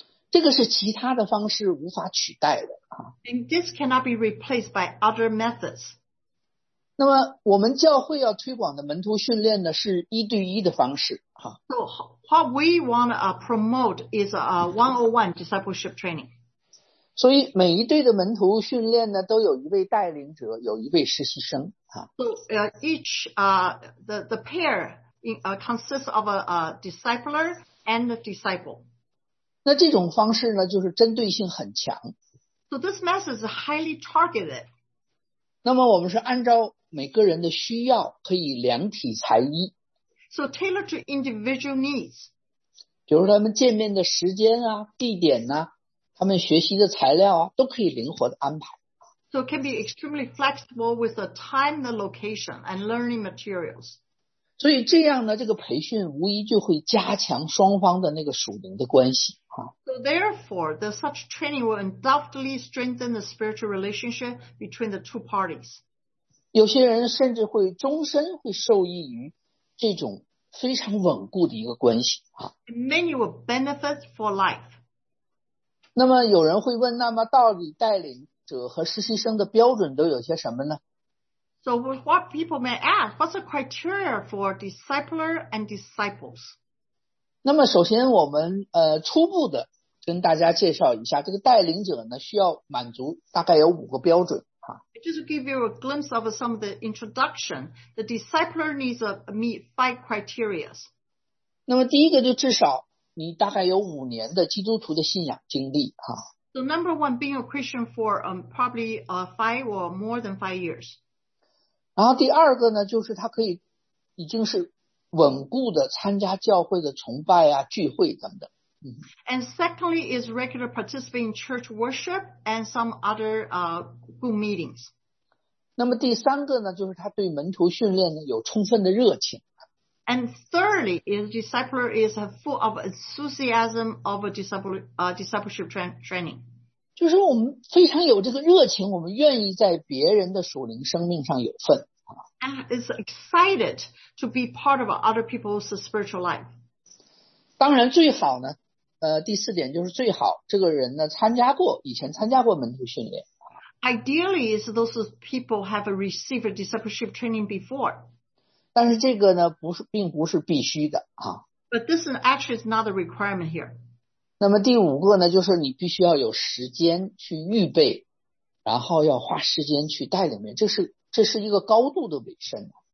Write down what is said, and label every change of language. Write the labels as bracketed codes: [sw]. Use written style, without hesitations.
[zh] 这个是其他的方式无法取代的。 [en] And this cannot be replaced by other methods. [zh] 那么我们教会要推广的门徒训练呢是一对一的方式。 [en] So what we want to promote is a one-on-one discipleship training. [zh] 所以每一对的门徒训练呢都有一位带领者有一位实习生。 [en] So each, the pair,consists of a discipler and a disciple. [zh] 那这种方式呢就是针对性很强。 [en] So this method is highly targeted. [zh] 那么我们是按照每个人的需要可以量体裁衣。 [en] So tailored to individual needs. [zh] 比如他们见面的时间啊地点啊他们学习的材料啊都可以灵活的安排。 [en] So it can be extremely flexible with the time, the location, and learning materials. [zh] 所以这样呢这个培训无疑就会加强双方的那个属灵的关系。 [en] So therefore, the such training will undoubtedly strengthen the spiritual relationship between the two parties. [zh] 有些人甚至会终身会受益于这种非常稳固的一个关系。 [en] Many will benefit for life. [zh] 那么有人会问那么到底带领者和实习生的标准都有些什么呢？ [en] So what people may ask, what's the criteria for discipler and disciples? [zh] 那么首先我们初步的跟大家介绍一下这个带领者呢需要满足大概有五个标准。 [en] Just to give you a glimpse of some of the introduction, the discipler needs to meet five criteria. [zh] 那么第一个就至少你大概有五年的基督徒的信仰经历。 [en] So number one, being a Christian for probably five or more than 5 years. [zh] 然后第二个呢就是他可以已经是稳固的参加教会的崇拜啊聚会等等。 [en] And secondly is regular participating in church worship and some other group meetings. [zh] 那么第三个呢就是他对门徒训练呢有充分的热情。 [en] And thirdly is discipler is full of enthusiasm of a discipleship training. [zh] 就是我们非常有这个热情我们愿意在别人的属灵生命上有份。 [en] And is excited to be part of other people's spiritual life. [zh] 当然最好呢第四点就是最好这个人呢参加过以前参加过门徒训练。 [en] Ideally is those people have received a discipleship training before. [zh] 但是这个呢并不是必须的。 [en] But this actually is not a requirement here. [zh] 那么第五个呢就是你必须要有时间去预备然后要花时间去带领人这是一个高度的委身。